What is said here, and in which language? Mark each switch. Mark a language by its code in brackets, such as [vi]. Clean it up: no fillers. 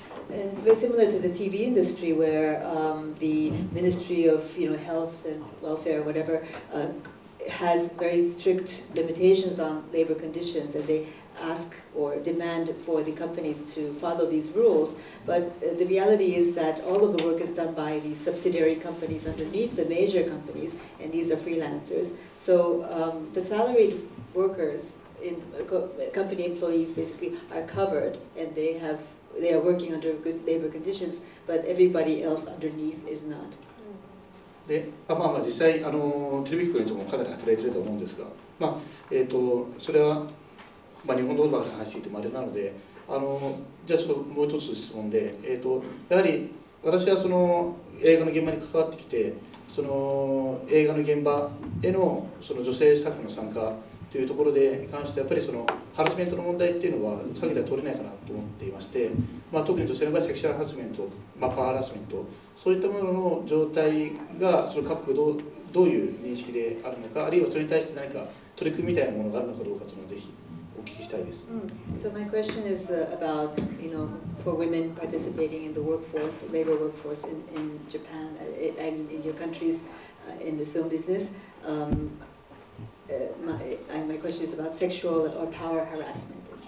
[en] And it's very similar to the TV industry where the Ministry of Health and Welfare or whatever has very strict limitations on labor conditions, and they ask or demand for the companies to follow these rules. But the reality is that all of the work is done by the subsidiary companies underneath the major companies, and these are freelancers. So the salaried workers, in company employees basically, are covered, and they are working under good labor conditions, but everybody else underneath is not. [ja] で、まあまあ実際テレビ局の人もかなり働いていると思うんですが、まあそれは、まあ、日本のことばかり話していてもあれなので、じゃあちょっともう一つ質問で、やはり私はその映画の現場に関わってきて、その映画の現場へ その女性スタッフの参加というところで関して、やっぱりそのハラスメントの問題っていうのは避けては通れないかなと思っていまして、まあ、特に女性の場合セクシャルハラスメント、まあ、パワーハラスメント、そういったものの状態がその各国どういう認識であるのか、あるいはそれに対して何か取り組みみたいなものがあるのかどうかというのをぜひお聞聞きしたいです。 [en] So my question is about, you know, for women participating in the workforce, labor workforce in Japan, I mean in your countries, in the film business. My question is about sexual or power harassment.